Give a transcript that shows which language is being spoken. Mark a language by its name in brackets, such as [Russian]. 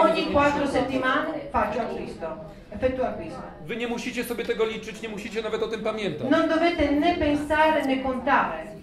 [Italian] Ogni 4 settimane faccio acquisto. Effettuo acquisto. [Polish] Wy nie musicie sobie tego liczyć, nie musicie nawet o tym pamiętać. [Italian] Non dovete né pensare né contare.